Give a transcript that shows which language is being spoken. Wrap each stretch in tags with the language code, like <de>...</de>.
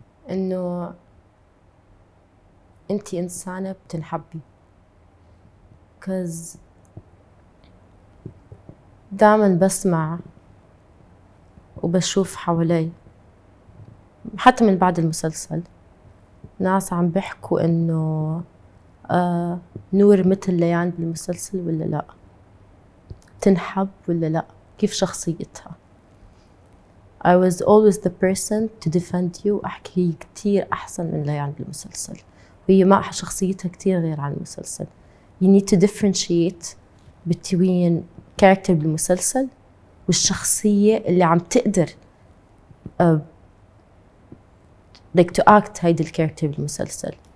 <ar>إنه أنت إنسانة بتنحبي، cause دائماً بسمع وبشوف حوالي حتى من بعد المسلسل ناس عم بيحكوا إنه نور مثل ليان بالمسلسل ولا لا، تنحب ولا لا، كيف شخصيتها.</ar> <en>I was always the person to defend you.</en> <ar>أحكي كتير أحسن من ليان بالمسلسل، وهي ما شخصيتها كتير غير عن المسلسل.</ar> <en>You need to differentiate between character</en> <ar>بالمسلسل والشخصية اللي عم تقدر</ar> <en>like to act</en> <ar>هيدي الكاركتر بالمسلسل.</ar>